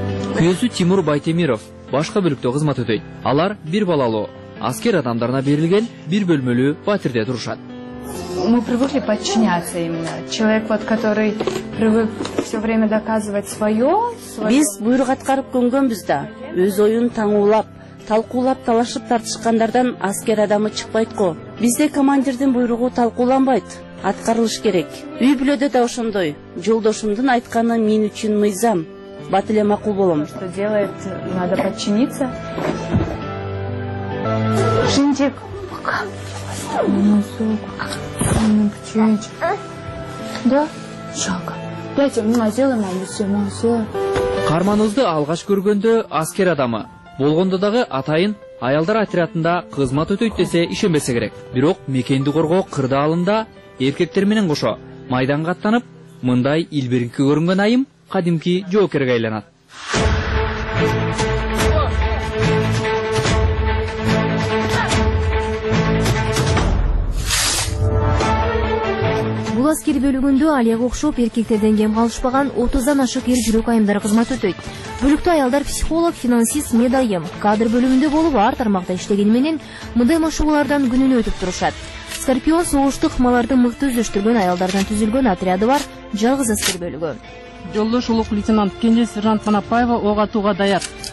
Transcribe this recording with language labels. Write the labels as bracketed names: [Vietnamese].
[Kyrgyz] Күйөөсү Тимур Байтемиров башка бөлүктө кызмат өтөйт. Алар бир балалуу, аскер адамдарына берилген бир бөлмөлүү батирде турушат. [Russian] Мы привыкли подчиняться именно. Человек, вот, который привык все время доказывать свое. [Kyrgyz] Биз буйрук аткарып көнгөнбүз да. Өз оюн таңуулап, талкуулап, талашып тартышкандардан аскер адамы чыкпайт го. Бизде командирдин буйругу талкууланбайт, аткарылыш керек. Үй бүлөдө да ошондой. Жолдошумдун айтканы мен үчүн мыйзам. Бат эле макул болом. [Russian] Что делает, надо подчиниться. [Kyrgyz] Жинчик. Карманызды алгач көргөндө аскер адамы болгондо дагы атайын аялдар отрядында кызмат өтөйт десе ишенбесе керек. Бирок мекенди коргоо кырдаалында эркектер менен кошо майданга аттанып, мындай илбиринки көрүнгөн айым кадимки жоокерге айланат. Аскер бөлүгүндө алияга окшоп эркектерден кем калышпаган 30дан ашык эр жүрөк айымдар кызмат өтөйт. Бөлүктө аялдар психолог, финансист, медайым, кадр бөлүмүндө болуп ар тармакта иштегени менен мындай машыгуулардан күнүнө өтүп турушат. Скорпион согуштук мааларды мыкты өздөштүргөн аялдардан түзүлгөн отряды бар жалгыз аскер бөлүгү. Жолдош улук лейтенант Кенже сержант Манапаева ого атууга даяр.